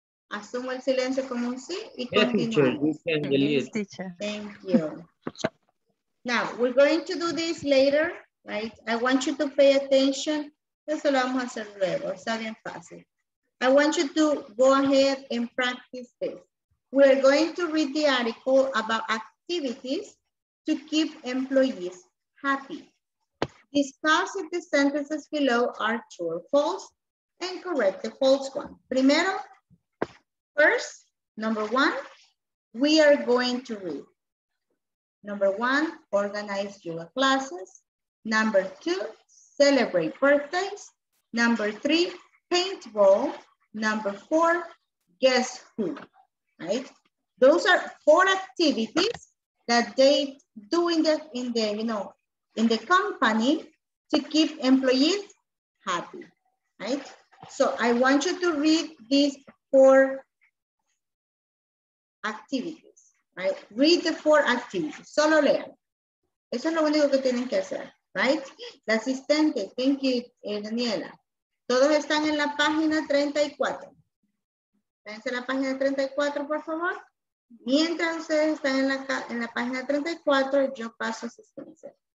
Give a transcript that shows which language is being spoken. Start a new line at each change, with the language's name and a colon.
Spanish: Asumo el silencio como un sí y continúo.
English: Thank you. Now, we're going to do this later, right? I want you to pay attention.
Spanish: Eso lo vamos a hacer luego, está bien fácil.
English: I want you to go ahead and practice this. We're going to read the article about activities to keep employees happy. Discuss if the sentences below are true or false and correct the false one.
Spanish: Primero,
English: first, number one, we are going to read. Number one, organize yoga classes. Number two, celebrate birthdays. Number three, paintball. Number four, guess who, right? Those are four activities that they do in the company to keep employees happy, right? So I want you to read these four activities, right? Read the four activities,
Spanish: solo lean. Eso es lo único que tienen que hacer, right? La asistente,
English: thank you,
Spanish: Daniela. Todos están en la página 34. Véanse la página 34, por favor. Mientras ustedes están en la página 34, yo paso a asistencia.